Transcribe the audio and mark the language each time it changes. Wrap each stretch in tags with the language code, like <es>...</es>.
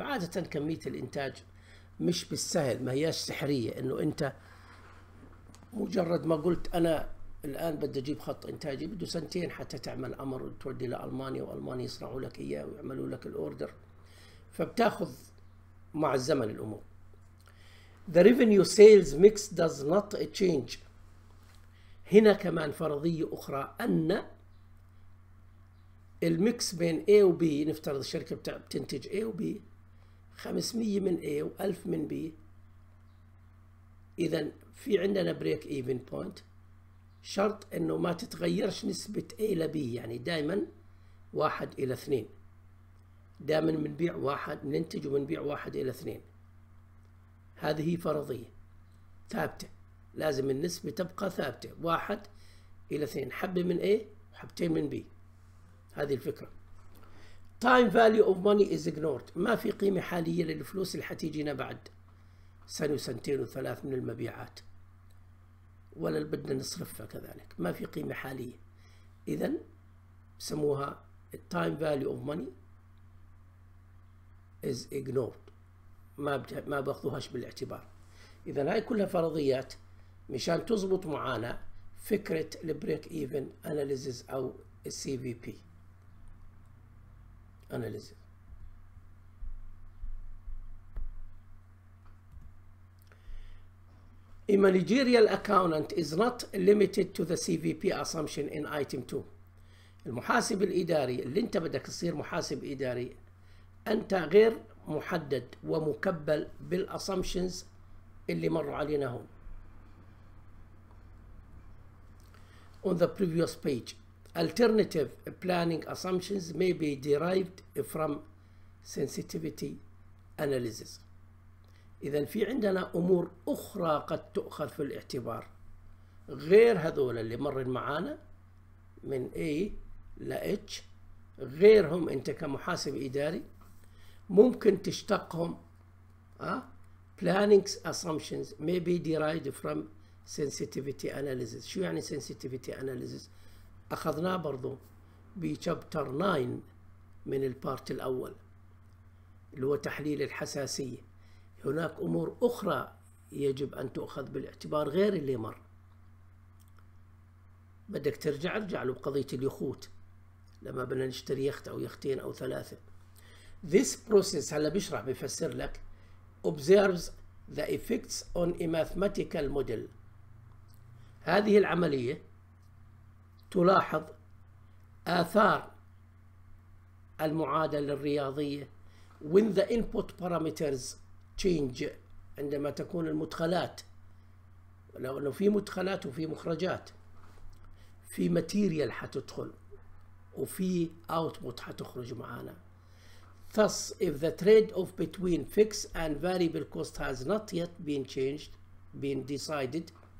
<ar>وعادة كمية الانتاج مش بالسهل، ما هياش سحرية انه انت مجرد ما قلت انا الان بدي اجيب خط انتاجي بده سنتين حتى تعمل امر وتودي لالمانيا والمانيا يصنعوا لك اياه ويعملوا لك الاوردر، فبتاخذ مع الزمن الامور.</ar> <en>The revenue sales mix does not change.</en> <ar>هنا كمان فرضية اخرى، ان الميكس بين A و B، نفترض الشركة بتنتج A و B، 500 من A و 1000 من B، اذا في عندنا بريك ايفن بوينت، شرط انه ما تتغيرش نسبة A ل B، يعني دائما 1:2، دائما بنبيع واحد ننتج وبنبيع 1:2، هذه فرضية ثابتة، لازم النسبة تبقى ثابتة 1:2، حبة من A وحبتين من B، هذه الفكرة.</ar> <en>Time value of money is ignored،</en> <ar>ما في قيمة حالية للفلوس اللي حتيجينا بعد سنة وسنتين وثلاث من المبيعات، ولا بدنا نصرفها كذلك، ما في قيمة حالية. إذا سموها</ar> <en>time value of money is ignored،</en> <ar>ما باخذوهاش بالاعتبار. إذا هاي كلها فرضيات مشان تزبط معانا فكرة البريك ايفن اناليزز أو السي في بي اناليزز.</ar> <en>A managerial accountant is not limited to the CVP assumption in item 2.</en> <ar>المحاسب الإداري اللي أنت بدك تصير محاسب إداري، أنت غير محدد ومكبل بالأسامبشنز اللي مروا علينا هون.</ar> <en>On the previous page, alternative planning assumptions may be derived from sensitivity analysis.</en> <ar>إذا في عندنا أمور أخرى قد تؤخذ في الاعتبار غير هذول اللي مرن معانا من A ل H، غيرهم أنت كمحاسب إداري ممكن تشتقهم.</ar> <en>Planning assumptions may be derived from sensitivity analysis.</en> <ar>شو يعني sensitivity analysis؟ أخذناه برضو بشابتر 9 من البارت الأول اللي هو تحليل الحساسية. هناك أمور أخرى يجب أن تؤخذ بالاعتبار غير اللي مر. بدك ترجع، ارجع له بقضية اليخوت لما بدنا نشتري يخت أو يختين أو ثلاثة.</ar> <en>This process</en> <ar>هلا بيشرح بيفسر لك</ar> <en>observes the effects on a mathematical model.</en> <ar>هذه العملية تلاحظ آثار المعادلة الرياضية</ar> <en>when the input parameters change،</en> <ar>عندما تكون المدخلات، لأنه في مدخلات وفي مخرجات، في ماتيريال حتدخل وفي output حتخرج معانا. Thus if the trade-off between fixed and variable cost has not yet been changed, been decided.</ar>